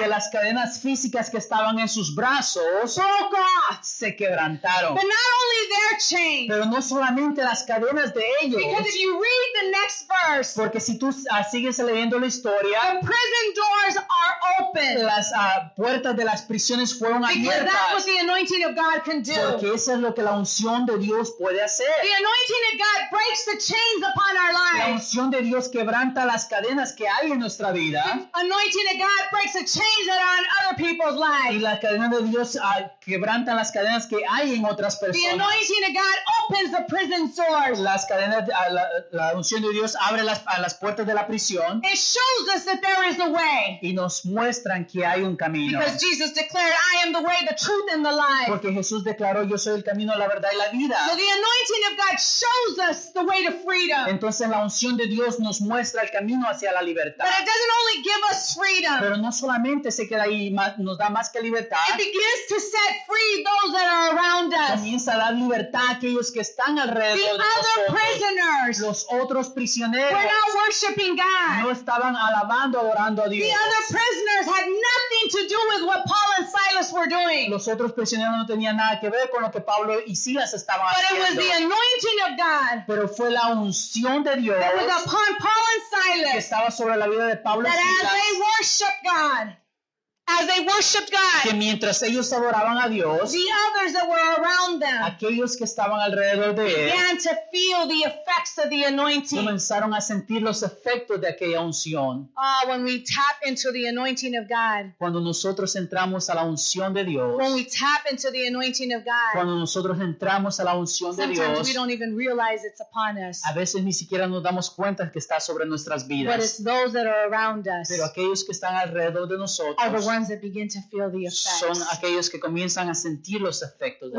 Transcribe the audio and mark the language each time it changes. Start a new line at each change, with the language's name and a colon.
Spanish: que las cadenas físicas que estaban en sus brazos,
English: broke off,
Spanish: se quebrantaron.
English: But not only their chains,
Spanish: pero no solamente las cadenas de ellos.
English: Because if you read the next verse,
Spanish: porque si tú sigues leyendo la historia,
English: the prison doors are open.
Spanish: Las puertas de las prisiones fueron abiertas.
English: Because that's what the anointing of God can do.
Spanish: Porque eso es lo que la unción de Dios puede hacer.
English: The anointing of God breaks the chains upon our lives.
Spanish: La unción de Dios quebranta las cadenas que hay en nuestra vida.
English: The anointing of God breaks the chains that are on other people's lives.
Spanish: Y la cadena de Dios quebranta las cadenas que hay en otras personas.
English: The anointing of God opens the prison doors.
Spanish: Las cadenas, la unción de Dios abre las puertas de la prisión.
English: It shows us that there is a way.
Spanish: Y nos muestran que hay un camino.
English: Because Jesus declared, I am the way, the truth, and the life.
Spanish: Porque Jesús declaró, yo soy el camino, la verdad y la vida.
English: So the anointing of God shows us the way to freedom.
Spanish: Entonces la unción de Dios nos muestra el camino hacia la libertad.
English: But it doesn't only give us freedom.
Spanish: Pero no solamente se queda ahí, nos da más que libertad.
English: It begins to set free those that are around us.
Spanish: Comienza a dar libertad a aquellos que están alrededor de nosotros.
English: The other prisoners.
Spanish: Los otros prisioneros.
English: We're not worshiping God.
Spanish: No estaban alabando, adorando a Dios.
English: The other prisoners had nothing to do with what Paul and Silas were doing.
Spanish: Los otros prisioneros no tenían nada que ver con lo que Pablo y Silas estaban haciendo.
English: But it was the anointing of God.
Spanish: Pero fue la unción de Dios.
English: That was upon Paul and Silas.
Spanish: Que estaba sobre la vida de Pablo.
English: That as they worship God. As they worshiped God,
Spanish: que mientras ellos adoraban a Dios,
English: the others that were around them,
Spanish: aquellos que estaban alrededor de él,
English: began to feel the effects of the anointing.
Spanish: Comenzaron a sentir los efectos de aquella unción.
English: Oh, when we tap into the anointing of God,
Spanish: cuando nosotros entramos a la unción de Dios,
English: when we tap into the anointing of God,
Spanish: cuando nosotros entramos a la unción de Dios,
English: sometimes we don't even realize it's upon us.
Spanish: A veces ni siquiera nos damos cuenta que está sobre nuestras vidas.
English: But it's those that are around us.
Spanish: Pero aquellos que están alrededor de nosotros.
English: Ones that begin to feel the effects.
Spanish: Son aquellos que comienzan a sentir los efectos de